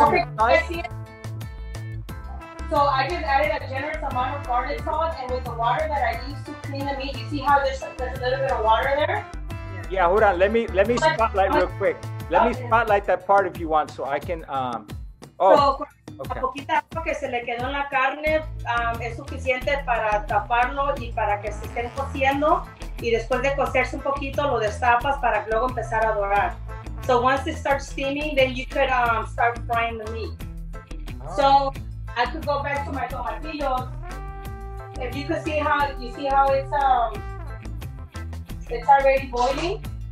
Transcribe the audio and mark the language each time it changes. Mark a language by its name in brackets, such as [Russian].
[English] Okay, I see it. So I just added a generous amount of garlic salt, and with the water that I used to clean the meat, you see how there's a little bit of water there? Yeah, hold on. Let me spotlight real quick. Let me spotlight that part if you want, so I can. [Spanish] La poquita agua que se le quedó en la carne es suficiente para taparlo y para que se estén cociendo. Y después de cocerse un poquito, lo destapas para luego empezar a dorar. [English] So once it starts steaming, then you could start frying the meat. So I could go back to my tomatillos. If you could see how it's already boiling.